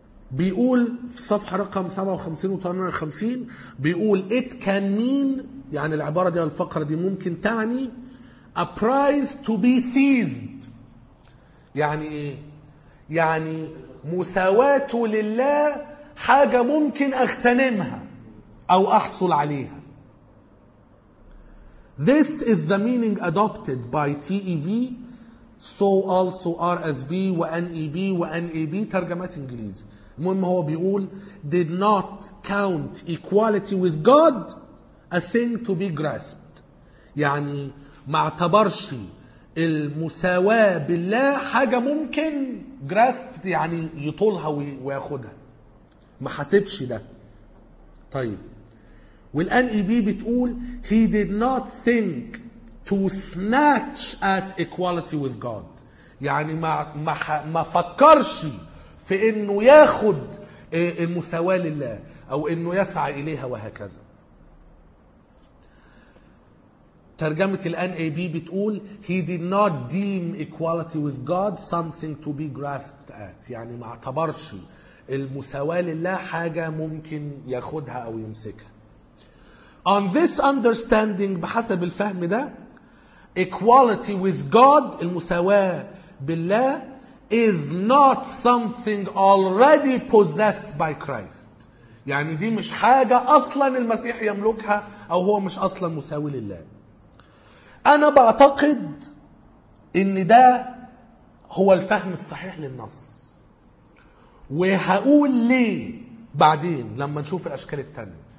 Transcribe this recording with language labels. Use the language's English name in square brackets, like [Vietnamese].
[Arabic] بيقول في صفحة رقم 57 و 58 بيقول [English] It can mean، [Arabic] يعني العبارة دي والفقرة دي ممكن تعني [English] A prize to be seized، [Arabic] يعني ايه؟ يعني مساواته لله حاجة ممكن اغتنمها او احصل عليها. [English] This is the meaning adopted by TEV so also RSV وNEB وNAB [Arabic] ترجمات إنجليزي. المهم هو بيقول [English] did not count equality with God a thing to be grasped. [Arabic] يعني ما اعتبرش المساواة بالله حاجة ممكن grasped يعني يطولها وياخدها. ما حسبش ده. طيب. والNEB بتقول [English] he did not think to snatch at equality with God. [Arabic] يعني ما فكرش في انه ياخد المساواة لله او انه يسعى اليها وهكذا. ترجمة الNAB بتقول [English] he did not deem equality with God something to be grasped at. [Arabic] يعني ما اعتبرش المساواة لله حاجة ممكن ياخدها او يمسكها. [English] On this understanding [Arabic] بحسب الفهم ده [English] equality with God [Arabic] المساواة بالله [English] is not something already possessed by Christ. [Arabic] يعني دي مش حاجة أصلا المسيح يملكها أو هو مش أصلا مساوي لله. أنا بعتقد إن ده هو الفهم الصحيح للنص. وهقول ليه بعدين لما نشوف الأشكال التانية.